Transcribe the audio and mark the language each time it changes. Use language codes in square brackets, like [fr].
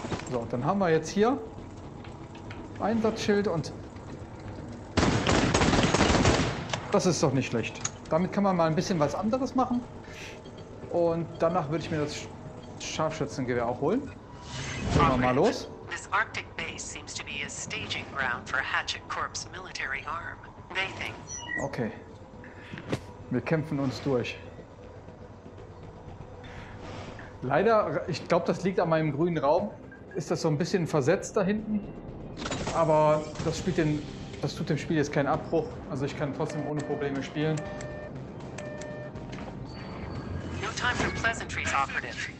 [de] So, dann haben wir jetzt hier Einsatzschild und das ist doch nicht schlecht. Damit kann man mal ein bisschen was anderes machen und danach würde ich mir das Scharfschützengewehr auch holen. Gehen wir mal los. [en] This Arctic base seems to be a staging ground for Hatchet Corp's military arm. They think. [de] Okay, wir kämpfen uns durch. Leider, ich glaube, das liegt an meinem grünen Raum. ist das so ein bisschen versetzt da hinten. Aber das spielt den, das tut dem Spiel jetzt keinen Abbruch. Also ich kann trotzdem ohne Probleme spielen. [en] No time for pleasantries, operative.